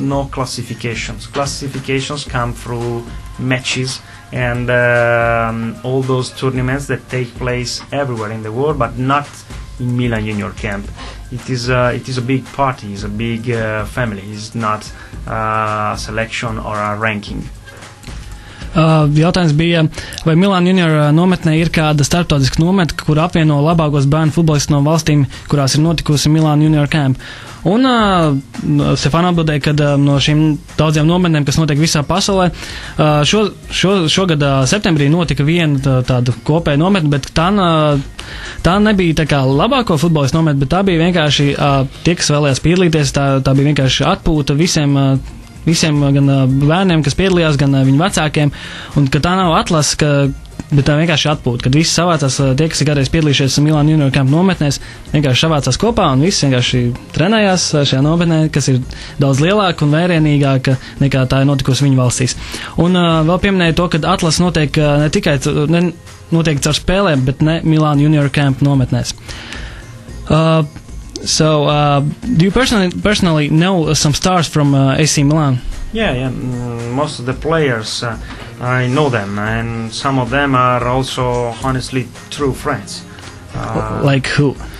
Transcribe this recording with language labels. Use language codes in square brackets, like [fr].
[en] No classifications. Classifications come through matches and all those tournaments that take place everywhere in the world, but not in Milan Junior Camp. It is a big party, it's a big family, it's not a selection or a ranking. [lv] Jautājums bija, vai Milan Junior nometnē ir kāda starptautiska nomete, kur apvieno labākos bērnu futbolistus no valstīm, kurās ir notikusi Milan Junior Camp. Un Stefan atbildēja, ka no šīm daudziem nometnēm, kas notiek visā pasaulē, šogad septembrī notika viena tāda kopēja nometne, bet tā nebija tā kā labāko futbolistu nometne, bet tā bija vienkārši tie, kas vēlējās piedalīties, tā bija vienkārši atpūta visiem visiem gan bērniem, kas piedalījās, gan viņu vecākiem, un ka tā nav atlases, bet tā vienkārši atpūta, kad visi savācās, tie, kas ir kādreiz piedalījušies Milan Junior Camp nometnēs, vienkārši savācās kopā, un visi vienkārši trenējās šajā nometnē, kas ir daudz lielāka un vērienīgāka, nekā tā ir notikusi viņu valstīs. Un vēl pieminēju to, ka atlases notiek ne tikai notiek caur spēlēm, bet ne Milan Junior Camp nometnēs. [en] So, do you personally know some stars from AC Milan? Yeah, most of the players, I know them, and some of them are also, honestly, true friends. Like who?